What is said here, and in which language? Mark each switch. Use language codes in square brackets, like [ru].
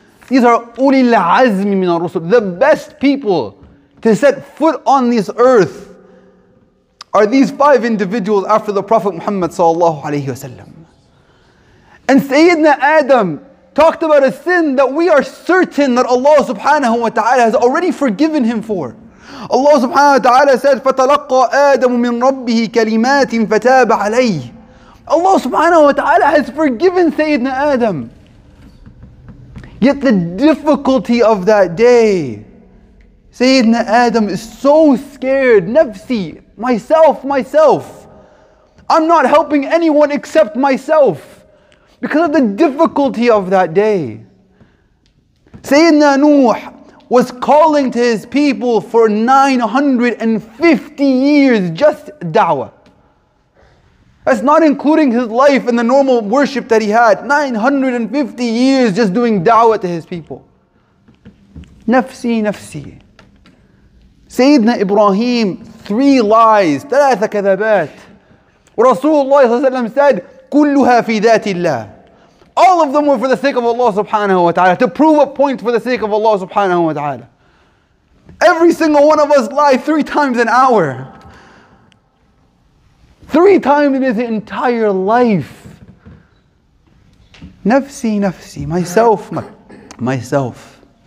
[en] These are [ar] ulil azmi min ar-rusul, [en] the best people to set foot on this earth are these five individuals after the Prophet Muhammad sallallahu alayhi wasallam. And Sayyidina Adam talked about a sin that we are certain that Allah subhanahu wa ta'ala has already forgiven him for. [ar] Allah subhanahu wa ta'ala said, فَتَلَقَّى آدَمُ مِنْ رَبِّهِ كَلِمَاتٍ فَتَابَ عَلَيْهِ. [en] Allah subhanahu wa ta'ala has forgiven Sayyidina Adam. Yet the difficulty of that day, Sayyidina Adam is so scared. Nafsi, myself, myself. I'm not helping anyone except myself. Because of the difficulty of that day. Sayyidina Nuh was calling to his people for 950 years just da'wah. That's not including his life and the normal worship that he had. 950 years just doing da'wah to his people. Nafsi, nafsi. Sayyidina Ibrahim, three lies, [ar] ثلاثة كذبات. رسول الله صلى الله عليه وسلم [en] said, [ar] كلها في ذات الله. [en] All of them were for the sake of Allah subhanahu wa ta'ala, to prove a point for the sake of Allah subhanahu wa ta'ala. Every single one of us lie three times an hour. Three times in his entire life. Nafsi, nafsi, myself, myself.